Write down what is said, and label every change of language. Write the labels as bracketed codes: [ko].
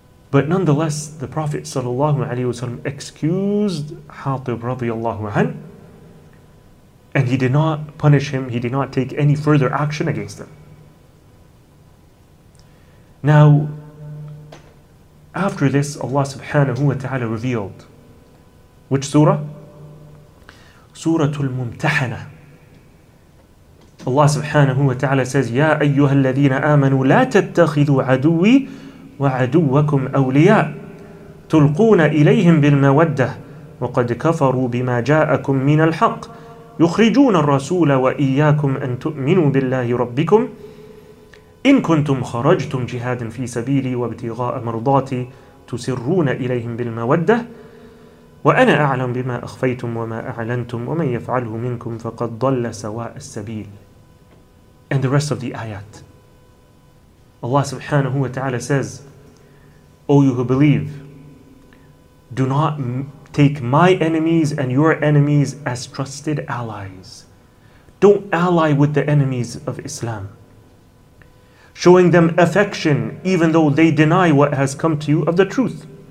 [en] But nonetheless, the Prophet sallallahu alaihi wasallam excused Hatib radiallahu anhu, and he did not punish him, he did not take any further action against him. Now, after this, Allah subhanahu wa ta'ala revealed which surah? Suratul Mumtahana. [ar] Allah subhanahu wa ta'ala says, "Ya ayyuhal ladhina amanu la tattakhidhu aduwi وَعَدُوَّكُمْ أَوْلِيَاءَ تُلْقُونَ إِلَيْهِمْ بِالْمَوَدَّةِ وَقَدْ كَفَرُوا بِمَا جَاءَكُمْ مِنَ الْحَقِّ يُخْرِجُونَ الرَّسُولَ وَإِيَّاكُمْ أَنْ تُؤْمِنُوا بِاللَّهِ رَبِّكُمْ إِنْ كُنْتُمْ خَرَجْتُمْ جِهَادًا فِي سَبِيلِي وَابْتِغَاءَ مَرْضَاتِي تُسِرُّونَ إِلَيْهِمْ بِالْمَوَدَّةِ وَأَنَا أَعْلَمُ بِمَا أَخْفَيْتُمْ وَمَا أَعْلَنْتُمْ وَمَنْ يَفْعَلْهُ مِنْكُمْ فَقَدْ ضَلَّ سَوَاءَ السَّبِيلِ." [en] And the rest of the ayat. Allah subhanahu wa ta'ala says, O you who believe, do not take my enemies and your enemies as trusted allies. Don't ally with the enemies of Islam, showing them affection even though they deny what has come to you of the truth.